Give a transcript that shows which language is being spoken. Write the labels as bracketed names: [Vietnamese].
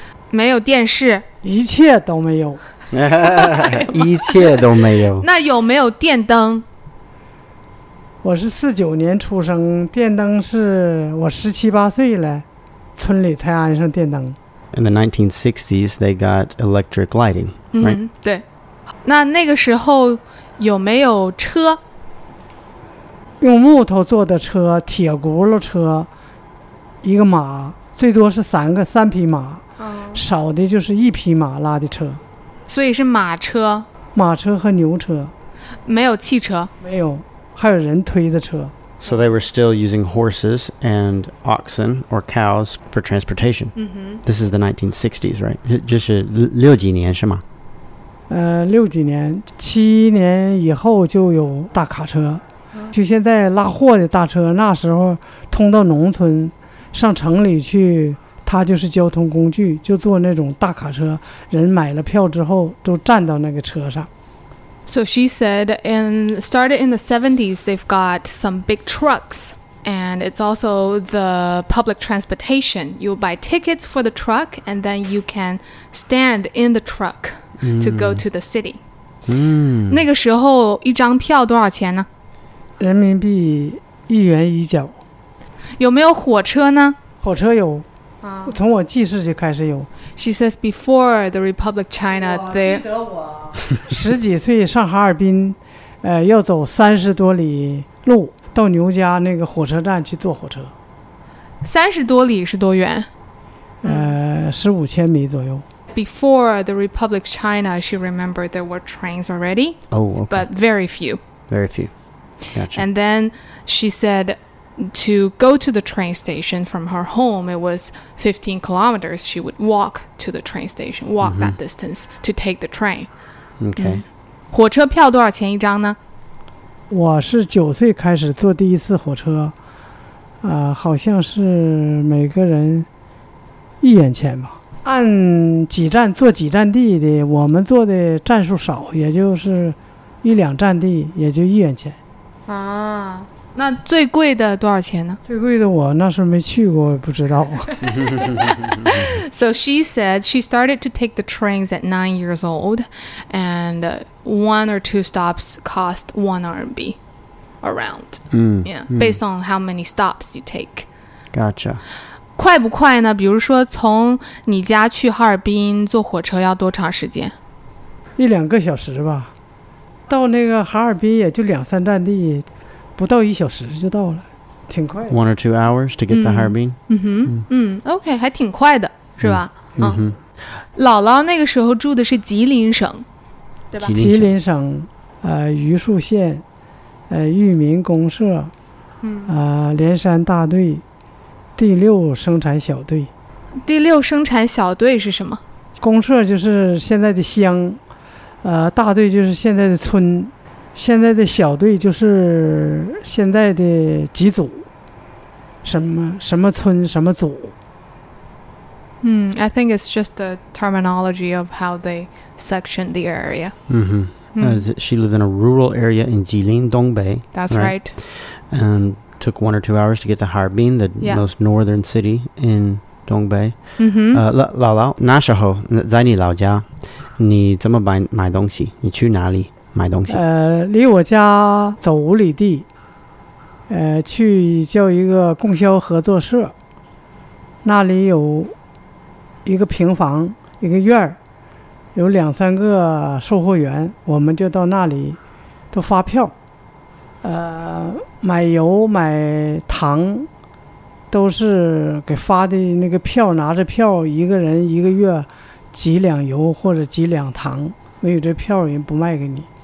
[Chinese] 没有电视？一切都没有。一切都没有。那有没有电灯？我是49年出生，电灯是我17、18岁了，村里才安上电灯。 [English] In the 1960s, they got electric lighting, right? [Chinese] 对。那个时候有没有车？用木头做的车，铁轱辘车，一个马，最多是三匹马，少的就是一匹马拉的车。所以是马车？马车和牛车。没有汽车？没有。还有人推的车。 [English] So they were still using horses and oxen or cows for transportation. Mm-hmm. This is the 1960s, right? [Chinese] 就是六几年是吗？六几年，七年以后就有大卡车，就现在拉货的大车。那时候通到农村，上城里去，它就是交通工具，就坐那种大卡车。人买了票之后，都站到那个车上。 [English] So she said, started in the 70s, they've got some big trucks, and it's also the public transportation. You buy tickets for the truck, and then you can stand in the truck to go to the city. [Chinese] 那个时候一张票多少钱呢？人民币1元1角。有没有火车呢？火车有。从我记事就开始有。 [English] She says before the Republic China, they [Chinese] 十几岁上哈尔滨，要走30多里路到牛家那个火车站去坐火车。 30多里是多远？ 15000米左右。 [English] Before the Republic China, she remembered there were trains already. Oh, okay. But very few. Very few. Gotcha. And then she said. To go to the train station from her home, it was 15 kilometers. She would walk to the train station, walk that distance to take the train. Okay. [Chinese] 火车票多少钱一张呢？我是9岁开始坐第一次火车，好像是每个人1元钱吧。按几站坐几站地的，我们坐的站数少，也就是1、2站地，也就1元钱。啊。那最贵的多少钱呢？最贵的我那时候没去过，不知道。 [English] So she said she started to take the trains at 9 years old, and one or two stops cost 1 RMB around. Based on how many stops you take. Gotcha. [Chinese] 快不快呢？比如说从你家去哈尔滨坐火车要多长时间？ 1、2个小时吧。到那个哈尔滨也就2、3站地。不到一小时就到了，挺快的。 [English] 1 or 2 hours to get to Harbin. [Chinese] 嗯哼，OK, 还挺快的，是吧？嗯哼。姥姥那个时候住的是吉林省，对吧？吉林省，榆树县，裕民公社，连山大队，第6生产小队。第6生产小队是什么？公社就是现在的乡，大队就是现在的村。现在的小队就是现在的几组，什么村什么组。 [English] I think it's just the terminology of how they section the area. She lived in a rural area in Jilin, Dongbei. That's right. And took 1 or 2 hours to get to Harbin, the most northern city in Dongbei. [Chinese] 姥姥，那时候在你老家，你怎么买东西？你去哪里？买东西，离我家走5里地，去叫一个供销合作社，那里有一个平房，一个院儿，有2、3个售货员，我们就到那里都发票，买油买糖都是给发的那个票，拿着票一个人一个月几两油或者几两糖，没有这票人不卖给你。